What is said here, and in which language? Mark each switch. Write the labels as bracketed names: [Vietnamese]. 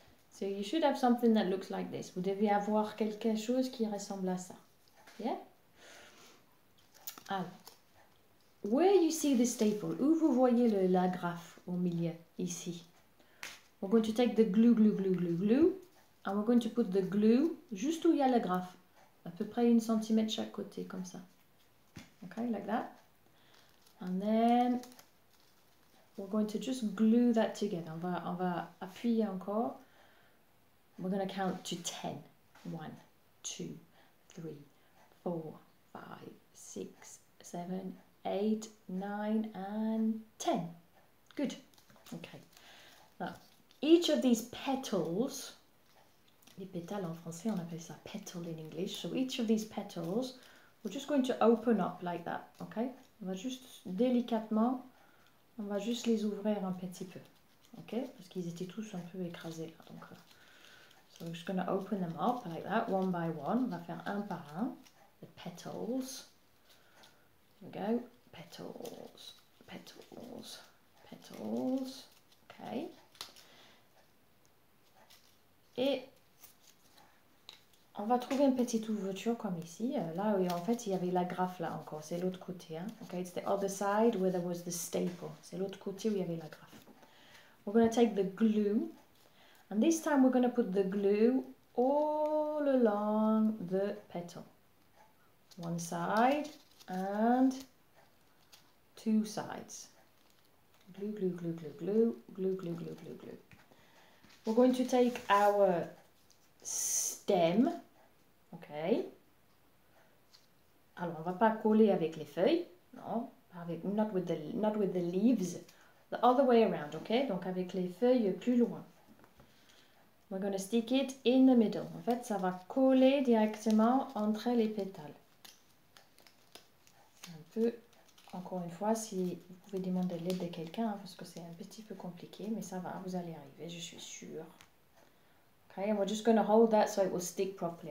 [English] So you should have something that looks like this. [French] Vous devez avoir quelque chose qui ressemble à ça. Yeah? Alors, [English] where you see the staple, [French] où vous voyez la graphe au milieu, ici? [English] We're going to take the glue, glue, glue, glue, glue. And we're going to put the glue [French] juste où il y a la graphe. À peu près 1 centimètre chaque côté, comme ça. [English] Okay, like that. And then, we're going to just glue that together. [French] On va appuyer encore. [English] We're going to count to 10. 1, 2, 3, 4, 5, 6, 7, 8, 9, and 10. Good. Okay. Now, each of these petals... [French] Les pétales en français, on appelle ça petal in English. [English] So each of these petals, we're just going to open up like that, okay? [French] On va juste délicatement, on va juste les ouvrir un petit peu, okay? Parce qu'ils étaient tous un peu écrasés là, donc. [English] So we're just going to open them up like that, one by one. [French] On va faire un par un, [English] the petals. Here we go, petals, petals, petals, okay? [French] Et on va trouver une petite ouverture comme ici, là où en fait il y avait la graffe là encore, c'est l'autre côté. Hein? [English] Okay, it's the other side where there was the staple. [French] C'est l'autre côté où il y avait la graffe. [English] We're going to take the glue, and this time we're going to put the glue all along the petal. One side and two sides. Glue, glue, glue, glue, glue, glue, glue, glue, glue, glue, glue. We're going to take our stem, okay? [French] Alors, on va pas coller avec les feuilles, non? [English] Avec, not with the leaves, the other way around, okay? [French] Donc, avec les feuilles plus loin. [English] We're going to stick it in the middle. [French] En fait, ça va coller directement entre les pétales. Un peu, encore une fois, si vous pouvez demander l'aide de quelqu'un, hein, parce que c'est un petit peu compliqué, mais ça va, vous allez arriver, je suis sûre. [English] Okay, and we're just going to hold that so it will stick properly.